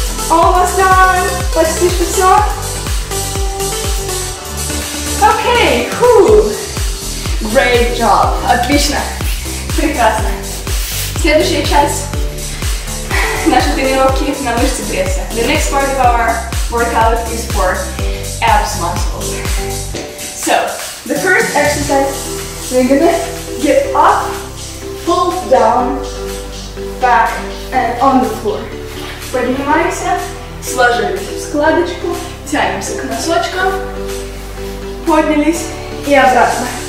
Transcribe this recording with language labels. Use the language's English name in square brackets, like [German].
[English] Almost done. [Russian] Почти что все. [English] Okay, cool. Great job. [Russian] Отлично. Прекрасно. Следующая часть нашей тренировки на мышцы пресса. [English] The next part of our workout is for abs muscles. So, the first exercise, we're gonna get up, pull down, back, and on the floor. [Russian] Поднимаемся, сложили в складочку, тянемся к носочкам, поднялись и обратно.